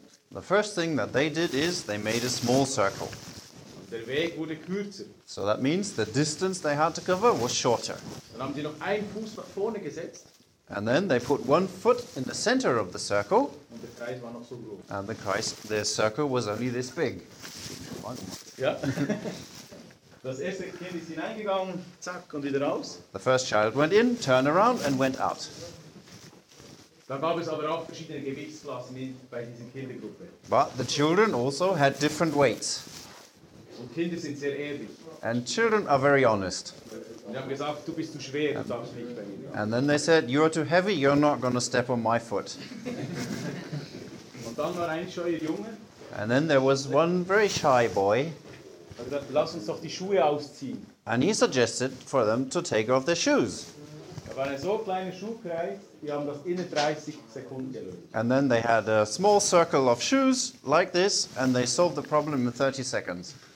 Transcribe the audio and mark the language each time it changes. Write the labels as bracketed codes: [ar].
[en] The first thing that they did is they made a small circle. [de] Der Weg wurde kürzer. [en] So that means the distance they had to cover was shorter. [de] Dann haben sie noch einen Fuß nach vorne gesetzt. [en] And then they put one foot in the center of the circle. [de] Und der Kreis war noch so groß. [en] And the circle was only this big. [de] Ja. Das erste Kind ist hineingegangen, zack, und wieder raus. [en] The first child went in, turned around and went out. [de] Da gab es aber auch verschiedene Gewichtsklassen bei diesen Kindergruppen. [en] But the children also had different weights. [de] Und Kinder sind sehr ehrlich. [en] And children are very honest. [de] Und haben gesagt, du bist zu schwer, du darfst nicht bei mir. [en] And then they said, you're too heavy, you're not going to step on my foot. [de] Und dann war ein scheuer Junge. [en] And then there was one very shy boy. [de] Er sagte, lass uns doch die Schuhe ausziehen. [en] And he suggested for them to take off their shoes. [de] Aber ein so kleiner Schuhkreis, die haben das in 30 Sekunden gelöst. [en] And then they had a small circle of shoes like this, and they solved the problem in 30 seconds.